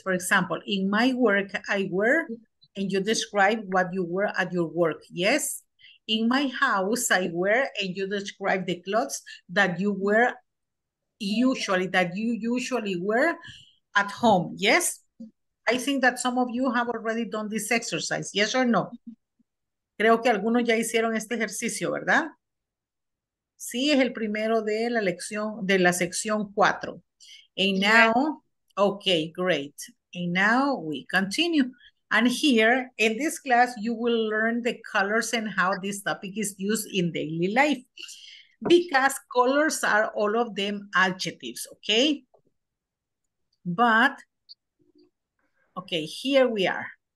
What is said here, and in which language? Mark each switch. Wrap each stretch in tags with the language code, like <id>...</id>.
<en>For example, in my work, I wear, and you describe what you wear at your work. Yes? In my house, I wear, and you describe the clothes that you wear usually at home. Yes? I think that some of you have already done this exercise. Yes or no?</en> <es>Creo que algunos ya hicieron este ejercicio, ¿verdad? Sí, es el primero de la lección, de la sección 4.</es> <en>And now, okay, great. And now we continue. And here, in this class, you will learn the colors and how this topic is used in daily life. Because colors are all of them adjectives, okay? But, okay, here we are.</en>